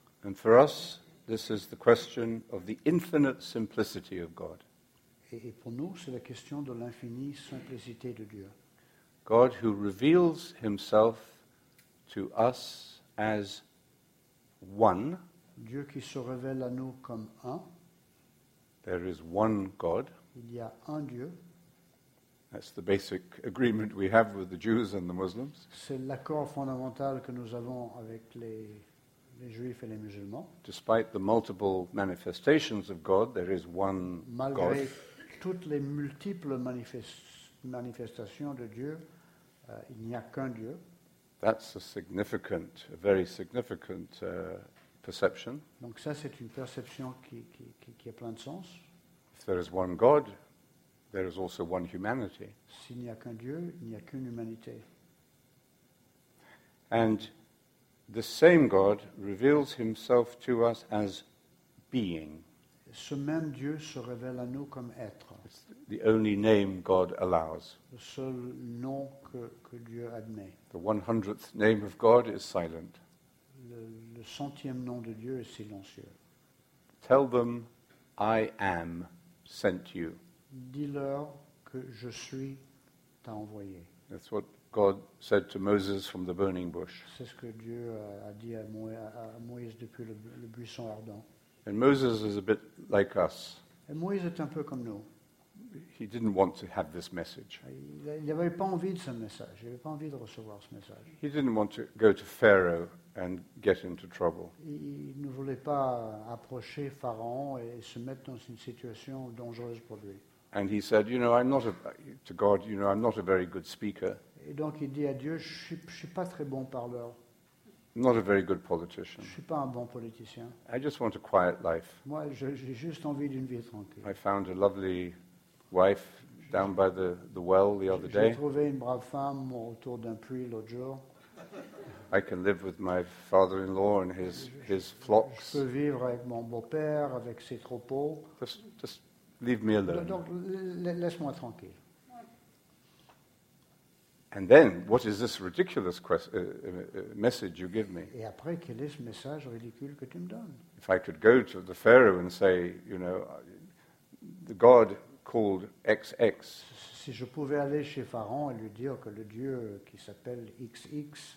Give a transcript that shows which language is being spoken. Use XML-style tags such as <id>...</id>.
<en>And for us, this is the question of the infinite simplicity of God.</en> <fr>Et pour nous, c'est la question de l'infinie simplicité de Dieu.</fr> <en>God who reveals himself to us as one.</en> <fr>Dieu qui se révèle à nous comme un.</fr> <en>There is one God.</en> <fr>Il y a un Dieu.</fr> <en>That's the basic agreement we have with the Jews and the Muslims.</en> <fr>C'est l'accord fondamental que nous avons avec les Juifs et les Musulmans.</fr> <en>Despite the multiple manifestations of God, there is one</en> <fr>Malgré</fr> <en>God.</en> <fr>Toutes les multiples manifestations de Dieu, il n'y a qu'un Dieu.</fr> <en>That's a significant, a very significant perception.</en> <fr>Donc ça, c'est une perception qui a plein de sens.</fr> <en>If there is one God, there is also one humanity.</en> <fr>S'il n'y a qu'un Dieu, il n'y a qu'une humanité.</fr> <en>And the same God reveals himself to us as being.</en> <fr>Ce même Dieu se révèle à nous comme être.</fr> <en>It's the only name God allows.</en> <fr>Le seul nom que Dieu admet.</fr> <en>The 100th name of God is silent.</en> <fr>Le centième nom de Dieu est silencieux.</fr> <en>Tell them, I am sent you.</en> <fr>Dis-leur que je suis t'a envoyé.</fr> <en>That's what God said to Moses from the burning bush.</en> <fr>C'est ce que Dieu a dit à Moïse depuis le buisson ardent.</fr> <en>And Moses is a bit like us.</en> <fr>Et Moïse est un peu comme nous.</fr> <en>He didn't want to have this message.</en> <fr>Il n'avait pas envie de ce message. Il n'avait pas envie de recevoir ce message.</fr> <en>He didn't want to go to Pharaoh and get into trouble.</en> <fr>Il ne voulait pas approcher Pharaon et se mettre dans une situation dangereuse pour lui.</fr> <en>And he said, you know, I'm not to God, you know, I'm not a very good speaker.</en> <fr>Et donc il dit à Dieu, je suis pas très bon parleur.</fr> <en>Not a very good politician.</en> <fr>Je suis pas un bon politicien.</fr> <en>I just want a quiet life.</en> <fr>Moi, j'ai juste envie d'une vie tranquille.</fr> <en>I found a lovely wife down by the well the other day.</en> <fr>J'ai trouvé une brave femme autour d'un puits l'autre jour.</fr> <en>I can live with my father-in-law and his flocks.</en> <fr>Je peux vivre avec mon beau-père, avec ses troupeaux.</fr> <en>Just leave me alone.</en> <fr>Donc, laisse-moi tranquille.</fr> <en>And then, what is this ridiculous message you give me?</en> <fr>Et après, quel est ce message ridicule que tu me donnes?</fr> <en>If I could go to the Pharaoh and say, you know, the God called XX.</en> <fr>Si je pouvais aller chez Pharaon et lui dire que le Dieu qui s'appelle XX.</fr>